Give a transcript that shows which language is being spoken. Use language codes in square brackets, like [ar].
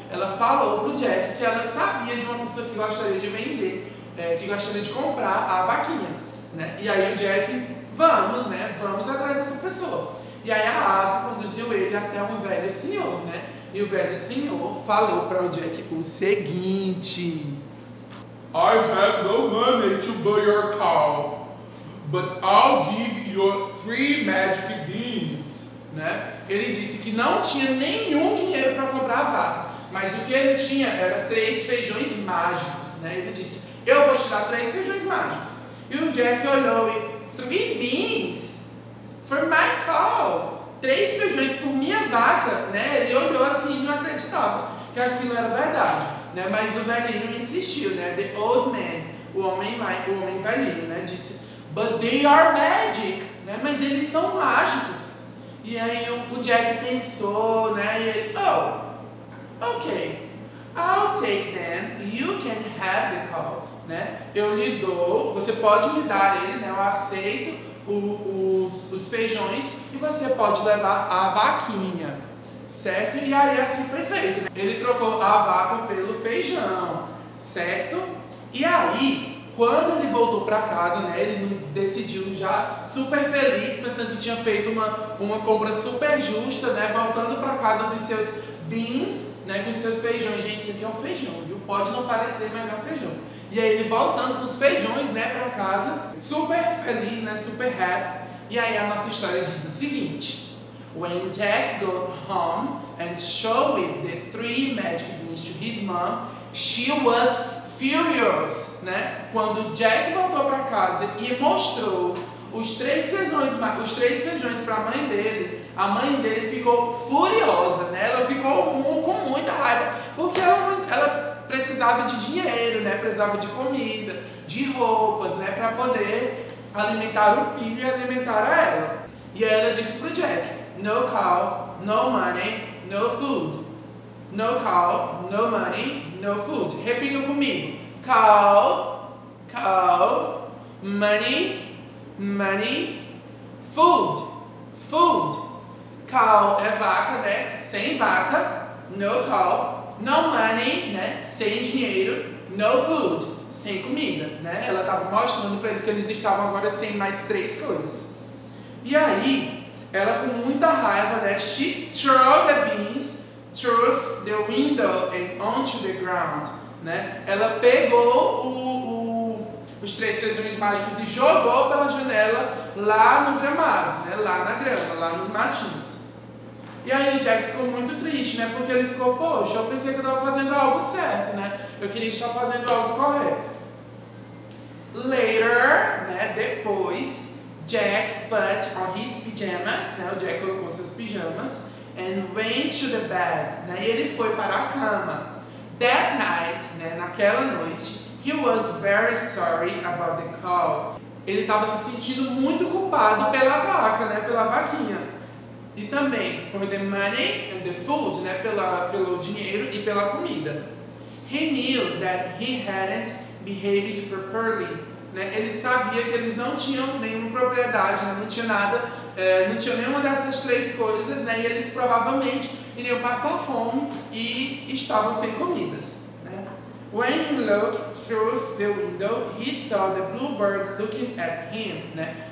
[pt] Ela falou pro Jack que ela sabia de uma pessoa que gostaria de vender. Que gostaria de comprar a vaquinha, né? E aí o Jack, vamos, né? Vamos atrás dessa pessoa. E aí a ave conduziu ele até um velho senhor, né? E o velho senhor falou para o Jack o seguinte: [en] I have no money to buy your cow, but I'll give your 3 magic beans, [pt] né? Ele disse que não tinha nenhum dinheiro para comprar a vaca, mas o que ele tinha era 3 feijões mágicos, né? Ele disse, eu vou te dar 3 feijões mágicos. E o Jack olhou e [en] 3 beans for my cow. [pt] 3 feijões por minha vaca, né? Ele olhou assim e não acreditava que aquilo era verdade, né? Mas o velhinho insistiu, né? [en] The old man, [pt] o homem velhinho, né? Disse, [en] but they are magic, [pt] né? Mas eles são mágicos. E aí o Jack pensou, né? E ele, [en] oh, ok, I'll take them, you can have the cow, né? [pt] Eu lhe dou, você pode me dar ele, né? Eu aceito os feijões e você pode levar a vaquinha, certo? E aí assim foi feito, né? Ele trocou a vaca pelo feijão, certo? E aí, quando ele voltou para casa, né? Ele decidiu já super feliz, pensando que tinha feito uma compra super justa, né? Voltando para casa dos seus [en] beans, [pt] né, com seus feijões. Gente, isso aqui é um feijão, viu? Pode não parecer, mas é um feijão. E aí ele voltando com os feijões, né, pra casa, super feliz, né, [en] super happy. [pt] E aí a nossa história diz o seguinte: [en] when Jack got home and showed the 3 magic beans to his mom, she was furious, né? [pt] Quando Jack voltou pra casa e mostrou os três feijões para a mãe dele, a mãe dele ficou furiosa, né? Ela ficou com muita raiva, porque ela precisava de dinheiro, né? Precisava de comida, de roupas, né? Para poder alimentar o filho e alimentar a ela. E ela disse pro Jack, [en] no cow, no money, no food. No cow, no money, no food. [pt] Repita comigo. [en] Cow, cow, money, money, food, food. [pt] Cow é vaca, né? Sem vaca. [en] No cow, no money, [pt] né? Sem dinheiro. [en] No food, [pt] sem comida, né? Ela estava mostrando para ele que eles estavam agora sem mais 3 coisas. E aí, ela com muita raiva, né? [en] She threw the beans through the window and onto the ground, [pt] né? Ela pegou os três feijões mágicos e jogou pela janela lá no gramado, né? Lá na grama, lá nos matinhos. E aí o Jack ficou muito triste, né? Porque ele ficou, poxa, eu pensei que eu tava fazendo algo certo, né? Eu queria estar fazendo algo correto. [en] Later, [pt] né? Depois, [en] Jack put on his pajamas, né? [pt] O Jack colocou seus pijamas [en] and went to the bed, né? [pt] E ele foi para a cama. [en] That night, [pt] né? Naquela noite, [en] he was very sorry about the cow. [pt] Ele estava se sentindo muito culpado pela vaca, né? Pela vaquinha. E também por [en] the money and the food, [pt] né? Pelo dinheiro e pela comida. [en] He knew that he hadn't behaved properly, né? [pt] Ele sabia que eles não tinham nenhuma propriedade, né? Não tinha nada, não tinha nenhuma dessas três coisas, né? E eles provavelmente iriam passar fome e estavam sem comidas, né? [en] When he looked through the window, he saw the bluebird looking at him, né?